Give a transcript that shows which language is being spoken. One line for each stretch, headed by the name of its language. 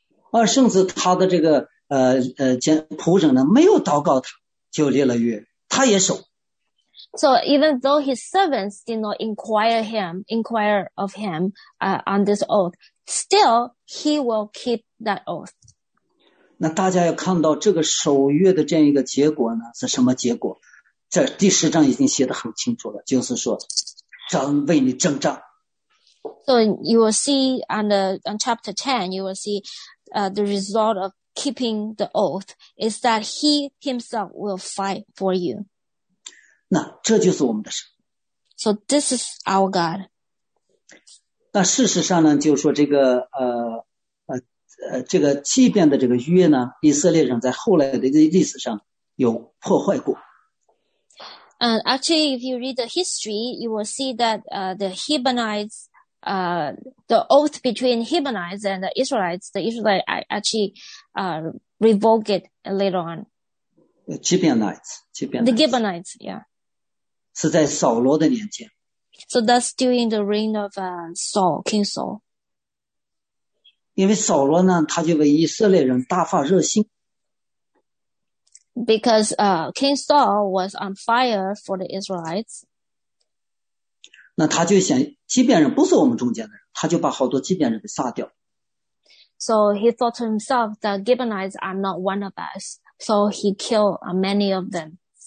Chinese: 而甚至他的这个仆人呢，没有祷告他就立了约，他也守。
English: So even though his servants did not inquire of him on this oath, still he will keep that oath.
Chinese: 那大家要看到这个守约的这样一个结果呢是什么结果，在第十章已经写得很清楚了，就是说神为你征战。
English: So you will see on chapter 10, you will see the result of keeping the oath is that he himself will fight for you.
Chinese: 那这就是我们的神。
English: So this is our God.
Chinese: 那事实上呢就是说这个这个即便的这个约呢，以色列人在后来的历史上有破坏过。
English: Actually, if you read the history, you will see that the Hebronites, the oath between Hebronites and the Israelites actually revoked it later on. The Gibeonites, yeah.
Chinese: 是在扫罗的年间。
English: So that's during the reign of Saul, King Saul.
Chinese: 因为扫罗呢，他就为以色列人大发热心。
English: Because King Saul was on fire for the Israelites.
Chinese: 那他就想，基遍人不是我们中间的人，他就把好多基遍人给杀掉。
English: So he thought to himself that Gibeonites are not one of us, so he killed many of them.